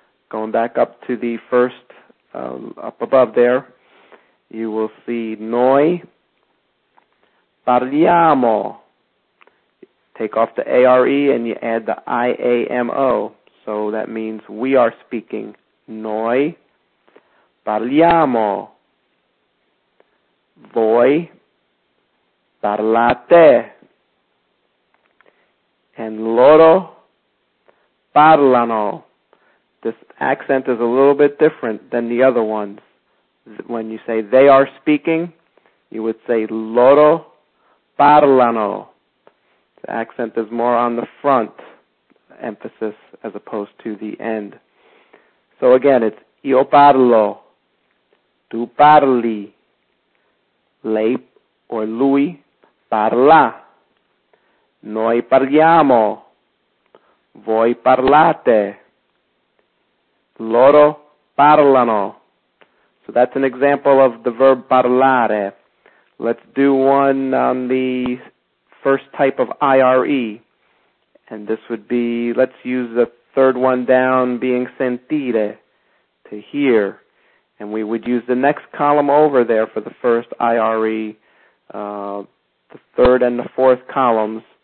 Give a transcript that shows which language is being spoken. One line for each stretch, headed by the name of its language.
English: Going back up to the first, up above there, you will see
Italian: noi, parliamo.
English: Take off the A-R-E, and you add the I-A-M-O. So that means we are speaking.
Italian: Noi parliamo, voi parlate,
English: and
Italian: loro parlano.
English: This accent is a little bit different than the other ones. When you say they are speaking, you would say
Italian: loro parlano.
English: The accent is more on the front emphasis as opposed to the end. So again, it's
Italian: io parlo, tu parli, lei
English: or
Italian: lui parla, noi parliamo, voi parlate, loro parlano.
English: So that's an example of the verb parlare. Let's do one on the first type of IRE. And this would be, let's use the third one down, being sentire, to hear. And we would use the next column over there for the first IRE, the third and the fourth columns.